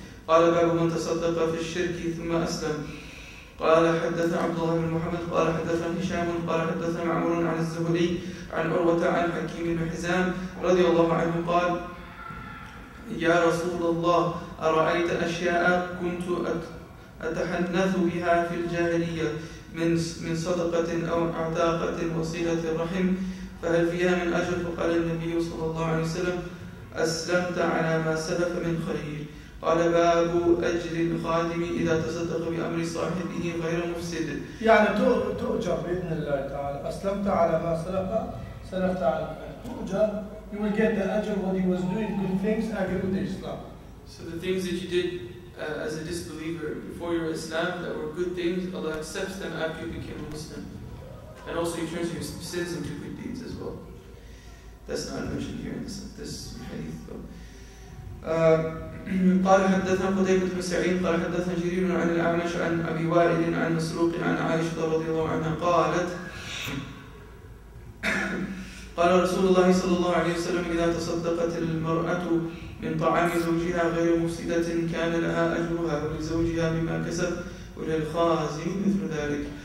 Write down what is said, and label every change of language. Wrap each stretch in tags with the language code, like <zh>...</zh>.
<ar>قال باب من تصدق في الشرك ثم أسلم. قال حدث عبد الله بن محمد قال حدثنا هشام قال حدثنا عمر عن الزهري عن عروة عن حكيم بن حزام رضي الله عنه قال يا رسول الله أرأيت أشياء كنت أتحنث بها في الجاهلية من صدقة أو عتاقة وصلة الرحم فهل فيها من أجر؟ فقال النبي صلى الله عليه وسلم أسلمت على ما سلف من خير. قال باب أجر الخادم إذا تصدق بأمر صاحبه غير مفسد. يعني تؤجر بإذن الله تعالى. أسلمت على ما سلف تعالى تؤجر.</ar> <en>You will get the ajr what he was doing, good things, agree with Islam. So the things that you did as a disbeliever before your Islam that were good things, Allah accepts them after you became a Muslim. And also he turns your sins into good deeds as well. That's not mentioned here in this hadith though.</en> <ar>قال حدثنا قتيبة بن سعيد قال حدثنا جرير عن الأعمش عن أبي وائل عن مسروق عن عائشة رضي الله عنها قالت قال رسول الله صلى الله عليه وسلم إذا تصدقت المرأة من طعام زوجها غير مفسدة كان لها أجرها ولزوجها بما كسب وللخازن مثل ذلك.</ar>